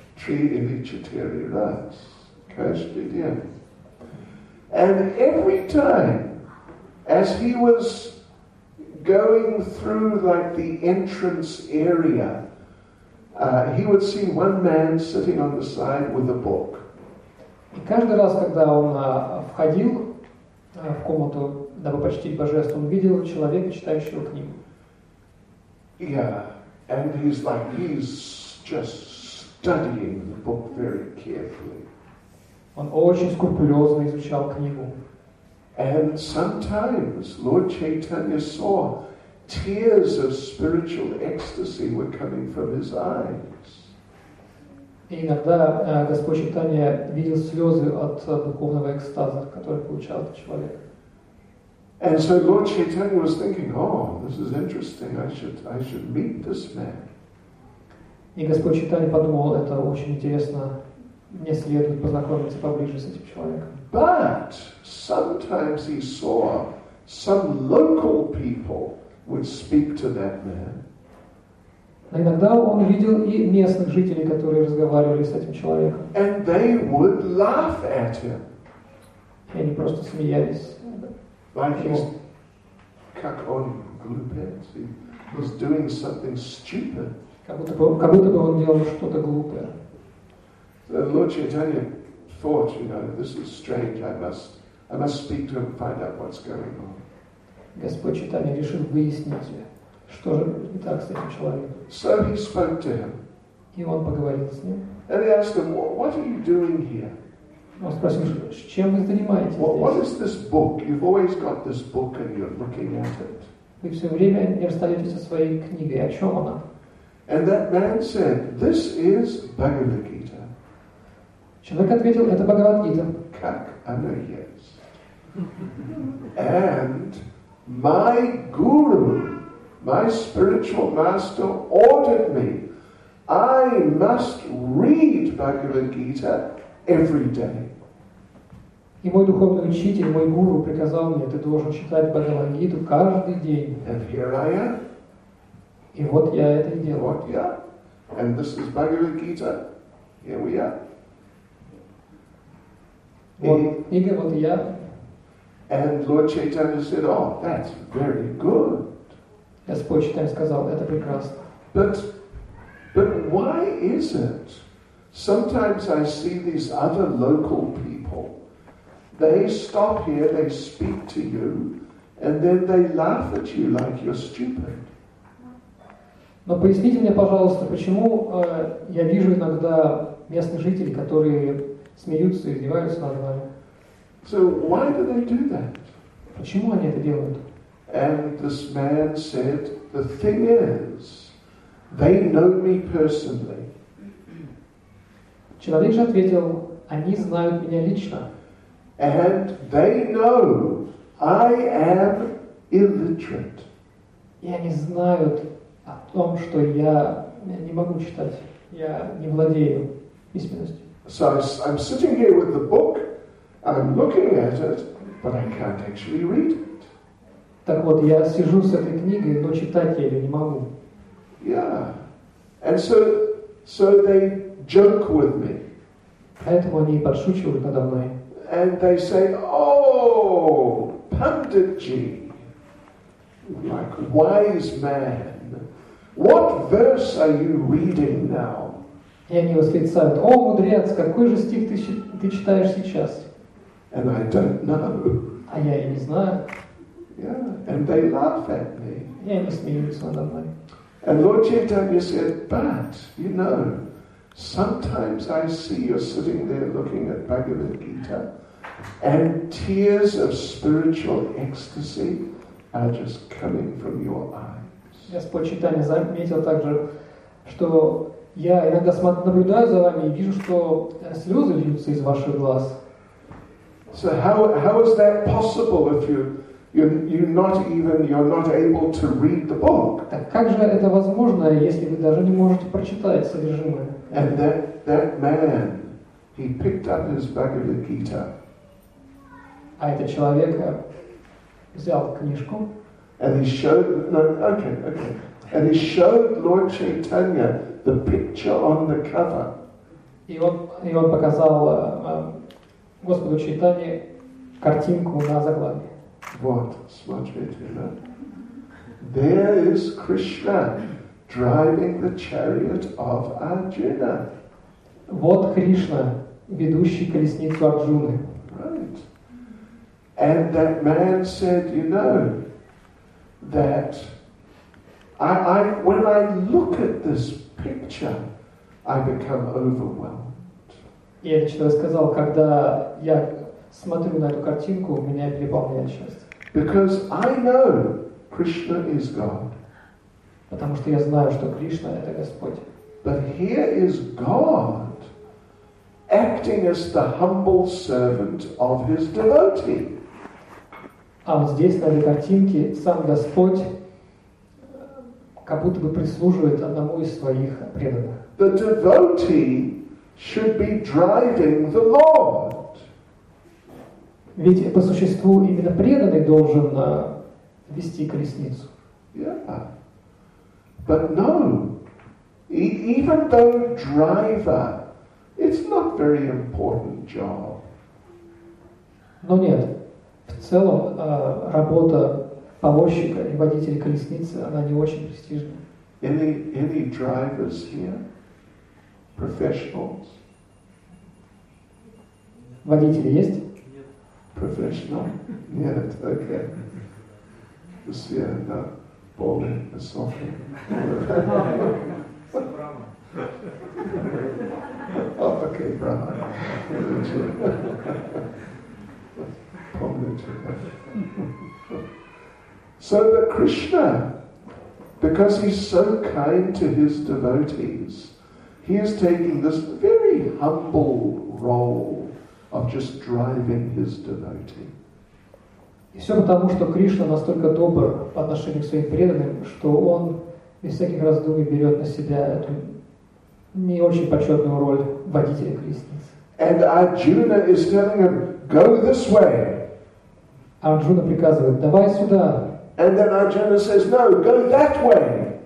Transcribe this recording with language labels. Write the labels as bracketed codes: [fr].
[ru] Три или четыре раз. Каждый день. [en] And every time, as he was going through like the entrance area, he would see one man sitting on the side with a book. [ru] И каждый раз, когда он входил в комнату, дабы почтить божество, он видел человека, читающего книгу. [en] Yeah. And he's like, he's just studying the book very carefully. [ru] Он очень скрупулезно изучал книгу. [en] And sometimes Lord Chaitanya saw tears of spiritual ecstasy were coming from his eyes. [ru] И иногда Господь Чайтанья видел слезы от духовного экстаза, который получал этот человек. [en] And so Lord Chaitanya was thinking, oh, this is interesting, I should meet this man. [ru] И Господь Чайтанья подумал, это очень интересно, мне следует познакомиться поближе с этим человеком. [en] But sometimes he saw some local people would speak to that man. [ru] Но иногда он видел и местных жителей, которые разговаривали с этим человеком. [en] And they would laugh at him. [ru] И они просто смеялись. [en] Like he's [ru] как он глупец. [en] He's doing something stupid. [ru] Как будто бы он делал что-то глупое. [en] So Lord Chaitanya thought, you know, this is strange. I must speak to him, find out what's going on. [ru] Господь Чайтанья решил выяснить, что же не так с этим человеком. [en] So he spoke to him. [ru] И он поговорил с ним. [en] And he asked him, what are you doing here? [ru] Он спросил, чем вы занимаетесь здесь? [en] What is this book? You've always got this book and you're looking at it. [ru] Вы все время не расстаетесь со своей книгой. О чем она? [en] And that man said, this is Bhagavad Gita. [ru] Человек ответил, это Бхагавад Гита. Как она есть? [en] And my guru, my spiritual master, ordered me, I must read Bhagavad Gita every day. [ru] И мой духовный учитель, мой гуру, приказал мне, ты должен читать Бхагавад Гиту каждый день. [en] And here I am. [ru] И вот я это и делаю. Вот я. [en] And this is Bhagavad Gita. Here we are. [ru] Вот книга, вот я. [en] And Lord Chaitanya said, oh, that's very good. [ru] Господь Чайтанья сказал, это прекрасно. [en] But why is it? Sometimes I see these other local people. They stop here, they speak to you, and then they laugh at you like you're stupid. [ru] Но поясните мне, пожалуйста, почему я вижу иногда местных жителей, которые смеются и издеваются над вами? [en] So why do they do that? [ru] Почему они это делают? [en] And this man said, the thing is, they know me personally. [ru] Человек же ответил, они знают меня лично. [en] And they know I am illiterate. [ru] И они знают о том, что я не могу читать, я не владею письменностью. [en] So I'm sitting here with the book, I'm looking at it, but I can't actually read it. [ru] Так вот, я сижу с этой книгой, но читать я ее не могу. [en] Yeah. And so they joke with me. [ru] Поэтому они подшучивают надо мной. [en] And they say, oh, Panditji, like wise man, what verse are you reading now? [ru] И они восклицают, о, мудрец, какой же стих ты читаешь сейчас? [en] And I don't know. [ru] А я и не знаю. [en] Yeah, and they laugh at me. [ru] И они смеются надо мной. [en] And Lord Chaitanya said, but, you know, sometimes I see you're sitting there looking at Bhagavad Gita and tears of spiritual ecstasy are just coming from your eyes. [ru] Господь читание заметил также, что я иногда наблюдаю за вами и вижу, что слезы льются из ваших глаз. [en] So how is that possible if you're not able to read the book? [ru] Так как же это возможно, если вы даже не можете прочитать содержимое? [en] And that man, he picked up his Bhagavad Gita. [ru] А этот человек взял книжку. [en] And he showed And he showed Lord Chaitanya the picture on the cover. [ru] И он показал Господу Чайтанье картинку на заглавии. What? Smajvedvila. [en] There is Krishna driving the chariot of Arjuna. [ru] Вот Кришна, ведущий колесницу Арджуны. [en] Right. And that man said, you know, that I when I look at this picture, I become overwhelmed. [ru] И этот человек сказал, когда я смотрю на эту картинку, меня переполняет счастье. [en] Because I know Krishna is God. [ru] Потому что я знаю, что Кришна — это Господь. [en] But here is God acting as the humble servant of his devotee. [ru] А вот здесь, на этой картинке, сам Господь как будто бы прислуживает одному из своих преданных. [en] The devotee should be driving the Lord. [ru] Ведь по существу именно преданный должен вести колесницу. [en] Yeah. But no. Even though driver, it's not very important job. [ru] Но нет. В целом работа повозчика и водителя колесницы, она не очень престижна. [en] Any drivers here? Professionals? [ru] Водители есть? Нет. [en] Professional? [ru] Нет, окей. Все, да, полный, высокий. Брама. Окей, брама. Помню тебя. [en] So, but Krishna, because he's so kind to his devotees, he is taking this very humble role of just driving his devotee. [ru] И все потому, что Кришна настолько добр по отношению к своим преданным, что он без всяких раздумий берет на себя эту не очень почетную роль водителя колесницы. [en] And Arjuna is telling him, go this way. [ru] Арджуна приказывает, давай сюда. [en] And then Arjuna says, no, go that way.